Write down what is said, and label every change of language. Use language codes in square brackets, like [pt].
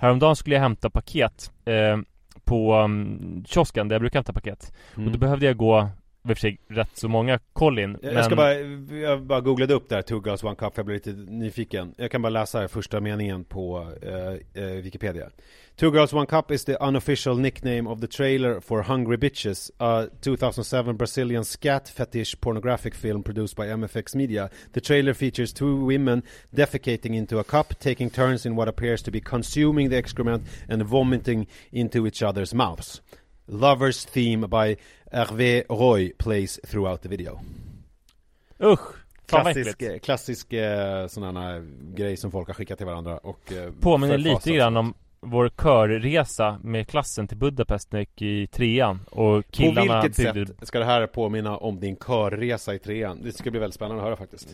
[sv] Häromdagen skulle jag hämta paket på kiosken där jag brukar hämta paket. Mm. Och då behövde jag gå, i och för sig rätt så många koll in. Men jag bara googlade upp där Two Girls One Cup, för jag blev lite nyfiken. Jag kan bara läsa första meningen på Wikipedia. [en] Two Girls One Cup is the unofficial nickname of the trailer for Hungry Bitches, a 2007 Brazilian scat fetish pornographic film produced by MFX Media. The trailer features two women defecating into a cup, taking turns in what appears to be consuming the excrement and vomiting into each other's mouths. Lovers theme by Hervé Roy plays throughout the video. [sv] Usch, klassisk sån här grej som folk har skickat till varandra. Och påminner lite grann om vår körresa med klassen till Budapest när jag gick i trean. Och killarna, på vilket sätt ska det här påminna om din körresa i trean? Det ska bli väldigt spännande att höra faktiskt.